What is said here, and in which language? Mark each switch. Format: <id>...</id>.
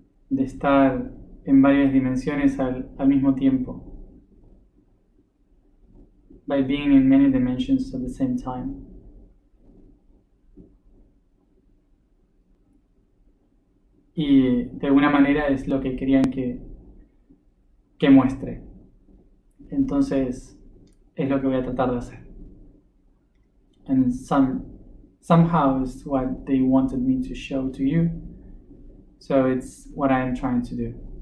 <es>De estar en varias dimensiones al mismo tiempo.</es> <en>By being in many dimensions at the same time.</en> <es>Y de alguna manera es lo que querían que muestre. Entonces, es lo que voy a tratar de hacer.</es> <en>and somehow it's what they wanted me to show to you. So it's what I am trying to do.</en>